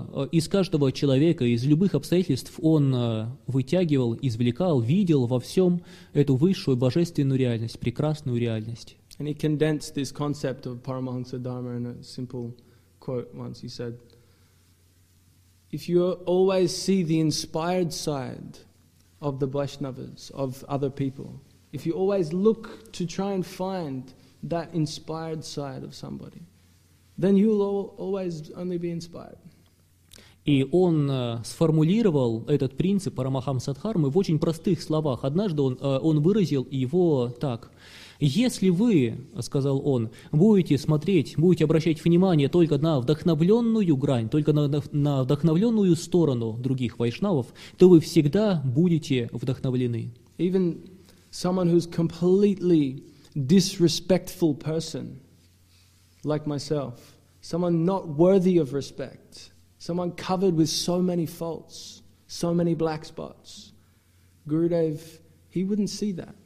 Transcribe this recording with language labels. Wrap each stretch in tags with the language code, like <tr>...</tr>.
<ru>Из каждого человека, из любых обстоятельств он вытягивал, извлекал, видел во всем эту высшую божественную реальность, прекрасную реальность.</ru> <en>And he condensed this concept of Paramahansa Dharma in a simple quote once. He said, if you always see the inspired side of the Vaishnavas, of other people, if you always look to try and find that inspired side of somebody, then you'll always only be inspired.</en> <ru>И он сформулировал этот принцип Парамахамса Дхармы в очень простых словах. Однажды он выразил его так. Если вы, сказал он, будете смотреть, будете обращать внимание только на вдохновленную грань, только на вдохновленную сторону других вайшнавов, то вы всегда будете вдохновлены.</ru> <en>Even someone who's completely disrespectful person, like myself, someone not worthy of respect, someone covered with so many faults, so many black spots, Gurudev, he wouldn't see that.</en>